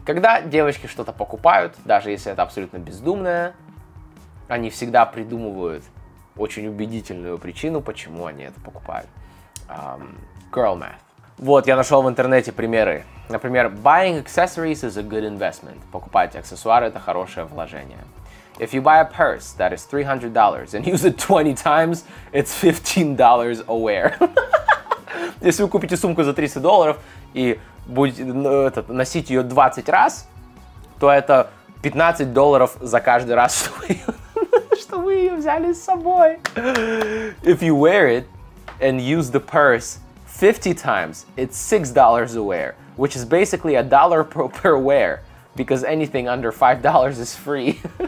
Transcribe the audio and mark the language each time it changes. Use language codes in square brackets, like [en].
[ru] Когда девочки что-то покупают, даже если это абсолютно бездумное, они всегда придумывают очень убедительную причину, почему они это покупают. [en] Girl math. [ru] Вот, я нашел в интернете примеры. Например, [en] buying accessories is a good investment. [ru] Покупать аксессуары – это хорошее вложение. [en] If you buy a purse that is $300 and use it 20 times, it's $15 a wear. [ru] Если вы купите сумку за $300 и будете носить ее 20 раз, то это $15 за каждый раз, что вы ее взяли с собой. [en] If you wear it and use the purse 50 times, it's $6 a wear, which is basically a dollar per wear, because anything under $5 is free.